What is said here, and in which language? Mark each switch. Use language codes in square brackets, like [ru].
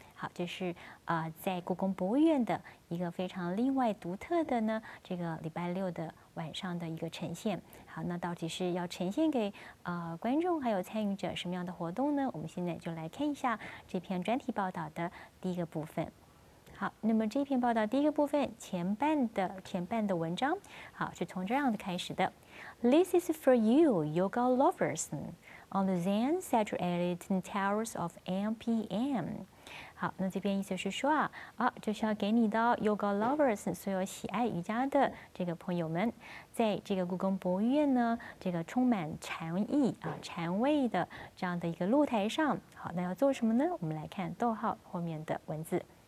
[zh] 好，这是在故宫博物院的一个非常另外独特的呢，这个礼拜六的晚上的一个呈现。好，那到底是要呈现给观众还有参与者什么样的活动呢？我们现在就来看一下这篇专题报道的第一个部分。好，那么这篇报道第一个部分前半的文章，好，是从这样的开始的。 [en] This is for you, yoga lovers, on the Zen saturated towers of NPM. [zh] 好，那这边意思是说就是要给你的 [en] yoga lovers [zh] 所有喜爱瑜伽的这个朋友们，在这个故宫博物院呢，这个充满禅意禅味的这样的一个露台上，好，那要做什么呢？我们来看逗号后面的文字。